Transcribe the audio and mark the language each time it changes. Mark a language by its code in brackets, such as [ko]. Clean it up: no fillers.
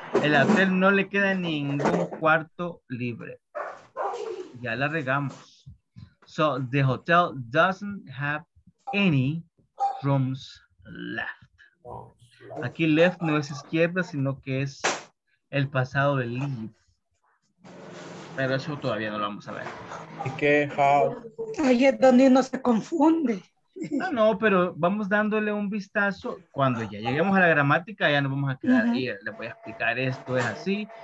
[es] El hotel no le queda ningún cuarto libre. Ya la regamos. [en] So the hotel doesn't have any rooms left. [es] Aquí left no es izquierda, sino que es el pasado del leave. Pero eso todavía no lo vamos a ver. ¿Y qué? How? Ahí es donde uno se confunde. No, no, pero vamos dándole un vistazo. Cuando ya lleguemos a la gramática, ya nos vamos a quedar ahí. Le voy a explicar esto, es así.